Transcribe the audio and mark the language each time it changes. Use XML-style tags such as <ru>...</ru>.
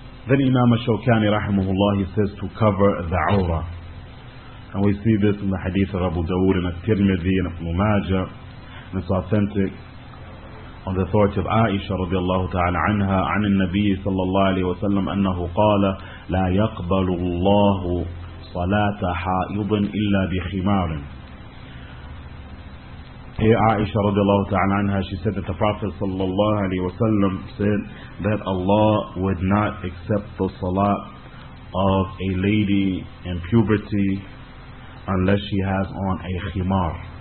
<en>Then Imam Ash-Shawkani rahimahullah, he says to cover the awra. And we see this in the hadith of Abu Dawood and At-Tirmidhi and Ibn Majah. And it's authentic on the authority of Aisha radiallahu ta'ala anha,</en> <ar>عن النبي صلى الله عليه وسلم أنه قال لا يقبل الله صلاة حائض إلا بخمار.</ar> <en>Here Aisha radiallahu ta'ala anha, she said that the Prophet</en> <ar>صلى الله عليه وسلم</ar> <en>said that Allah would not accept the salat of a lady in puberty unless she has on a khimar.</en>